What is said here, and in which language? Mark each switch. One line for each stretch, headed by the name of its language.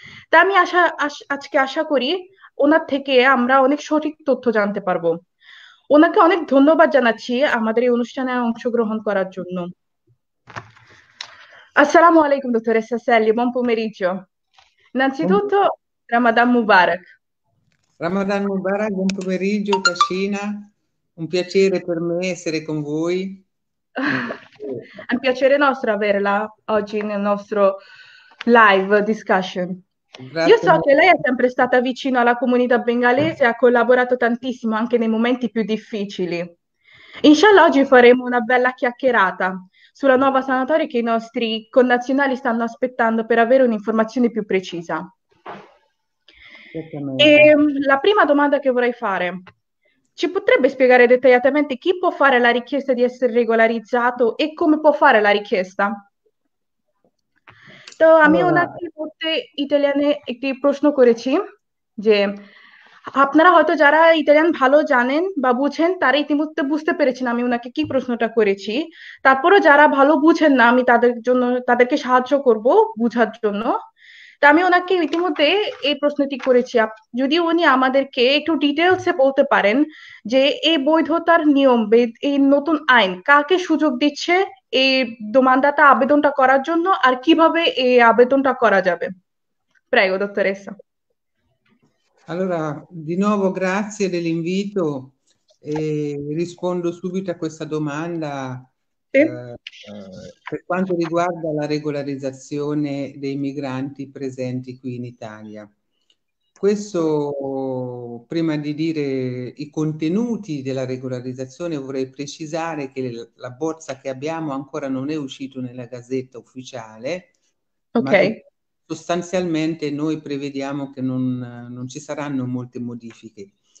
Bangla: তা আমি আজকে আশা করি ওনার থেকে আমরা অনেক সঠিক তথ্য জানতে পারবো। ওনাকে অনেক ধন্যবাদ জানাচ্ছি আমাদের এই অনুষ্ঠানে অংশগ্রহণ করার জন্য।
Italian: আসসালামু আলাইকুম দোতর সাসালি, বন পোমেরিজো, নাচিতুতো রামাদান মুবারক। Ramadan Mubarak, buon pomeriggio Tashina, un piacere per me essere con voi. È un piacere nostro averla oggi nel nostro live discussion. Io so che lei è sempre stata vicino alla comunità bengalese e ha collaborato tantissimo anche nei momenti più difficili. Inshallah, oggi faremo una bella chiacchierata sulla nuova sanatoria che i nostri connazionali stanno aspettando per avere un'informazione più precisa. E la prima domanda che vorrei fare: ci potrebbe spiegare dettagliatamente chi può fare la richiesta di essere regolarizzato e come può fare la richiesta?
Bangla: তো আমি
Italian: Allora,
Bangla: ওনাকে বলতে ইতালিয়ানে একটি প্রশ্ন করেছি, যে আপনারা হয়তো যারা ইতালিয়ান ভালো জানেন বা বুঝেন তারা ইতিমধ্যে বুঝতে পেরেছেন আমি ওনাকে কি প্রশ্নটা করেছি। তারপরও যারা ভালো বুঝেন না আমি তাদেরকে সাহায্য করব বুঝার জন্য। তা আমি ওনাকে ইতিমধ্যে এই প্রশ্নটি করেছি, যদি উনি আমাদেরকে একটু ডিটেলসে বলতে পারেন যে এই বৈধতার নিয়ম, এই নতুন আইন কাকে সুযোগ দিচ্ছে এই দোমানদাতা আবেদনটা করার জন্য, আর কিভাবে এই আবেদনটা করা যাবে।
Italian: প্রেগো দত্তরেসা। Allora, di nuovo grazie dell'invito e rispondo subito a questa domanda. Per quanto riguarda la regolarizzazione dei migranti presenti qui in Italia, questo prima di dire i contenuti della regolarizzazione, vorrei precisare che la bozza che abbiamo ancora non è uscita nella Gazzetta Ufficiale, ma che sostanzialmente noi prevediamo che non ci saranno molte modifiche.